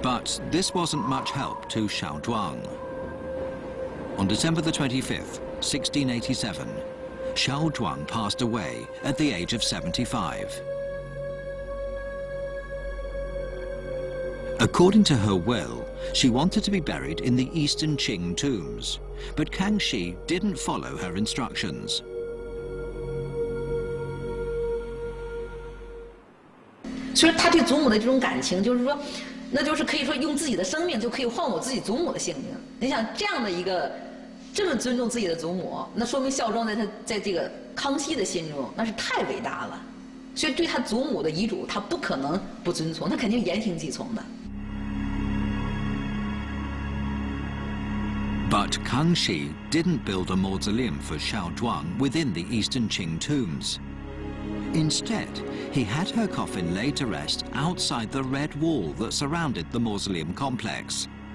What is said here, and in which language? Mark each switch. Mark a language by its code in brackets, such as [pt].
[en] But this wasn't much help to Xiao Duan. On December the 25th, 1687, Xiao Duan passed away at the age of 75. According to her will, she wanted to be buried in the Eastern Qing tombs, but Kangxi didn't follow her instructions. [zh] 所以他对祖母的这种感情，就是说，那就是可以说用自己的生命就可以换我自己祖母的性命。你想这样的一个。这么尊重自己的祖母，那说明孝庄在他在这个康熙的心中那是太伟大了，所以对他祖母的遗嘱，他不可能不遵从，他肯定言听计从的。 [en] But Kangxi didn't build a mausoleum for Xiao Duan within the Eastern Qing tombs. Instead, he had her coffin laid to rest outside the red wall that surrounded the mausoleum complex.